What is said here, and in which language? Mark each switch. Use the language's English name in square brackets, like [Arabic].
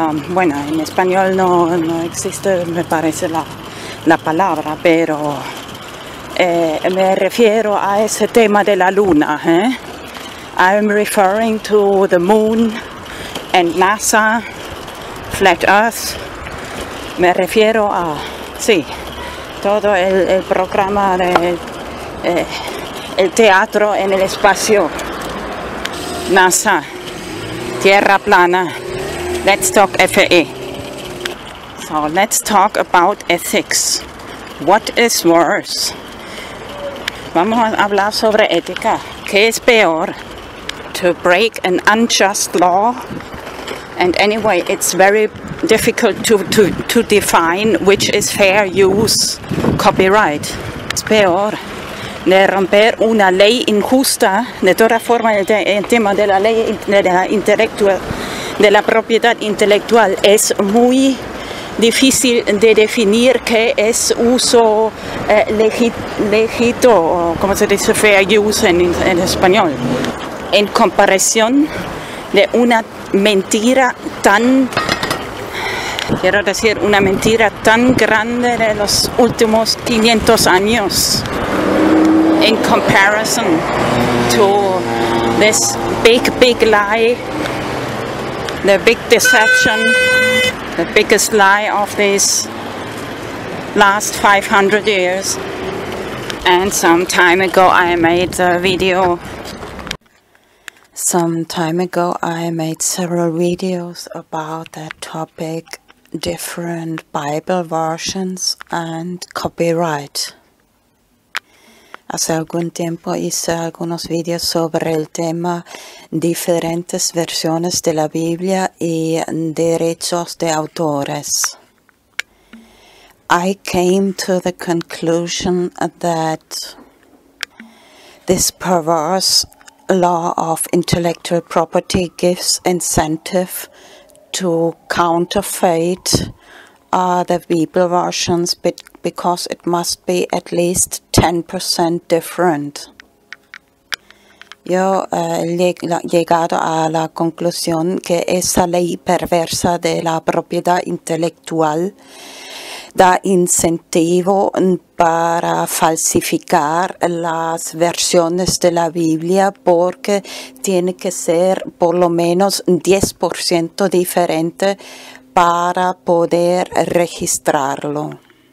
[Spanish] Bueno, en español no existe, me parece, la palabra, pero me refiero a ese tema de la luna. [English] I'm referring to the moon and NASA, flat earth. [Spanish] Me refiero a, sí, todo el programa de el teatro en el espacio. NASA, tierra plana, [English] let's talk FAA. So let's talk about ethics. What is worse? [Spanish] Vamos a hablar sobre ética. ¿Qué es peor? [English] To break an unjust law? And anyway, it's very difficult to define which is fair use, copyright. [Spanish] Es peor de romper una ley injusta. De toda forma, el tema de la ley de la propiedad intelectual es muy difícil de definir qué es uso legítimo, o como se dice, fair use en español. En comparación de una mentira tan, quiero decir, una mentira tan grande de los últimos 500 años. [English] In comparison to this big, big lie, the big deception, the biggest lie of these last 500 years. And some time ago I made a video. Some time ago I made several videos about that topic, different Bible versions and copyright. [Spanish] Hace algún tiempo hice algunos videos sobre el tema, diferentes versiones de la Biblia y derechos de autores. [English] I came to the conclusion that this perverse law of intellectual property gives incentive to counterfeit the Bible versions because it must be at least 10% different. [Spanish] Yo he llegado a la conclusión que esa ley perversa de la propiedad intelectual da incentivo para falsificar las versiones de la Biblia porque tiene que ser por lo menos 10% diferente para poder registrarlo.